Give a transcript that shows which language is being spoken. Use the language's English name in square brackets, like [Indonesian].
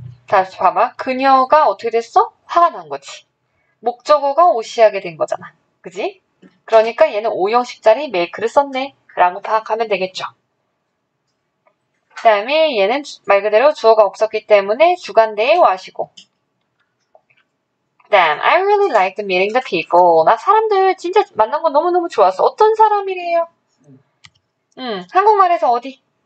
[Korean] 다시 봐봐. 그녀가 어떻게 됐어? 화가 난 거지. 목적어가 오시하게 된 거잖아. 그지? 그러니까 얘는 5형식짜리 make를 썼네. 라고 파악하면 되겠죠. 그 다음에 얘는 말 그대로 주어가 없었기 때문에 주간대에 와시고. 그 다음, [English] I really liked meeting the people. [Korean] 나 사람들 진짜 만난 거 너무너무 좋았어. 어떤 사람이래요? 응, 한국말에서 어디?